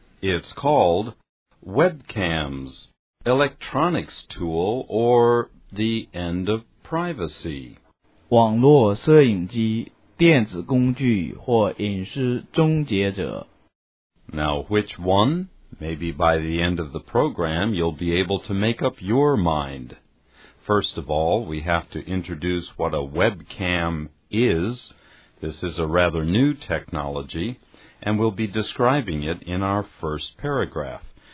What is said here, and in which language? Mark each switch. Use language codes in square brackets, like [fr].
[en] It's called Webcams, Electronics Tool, or the End of Privacy. [zh] 网络摄影机电子工具或隐私终结者。 [en] Now, which one? Maybe by the end of the program, you'll be able to make up your mind. First of all, we have to introduce what a webcam is. This is a rather new technology, and we'll be describing it in our first paragraph.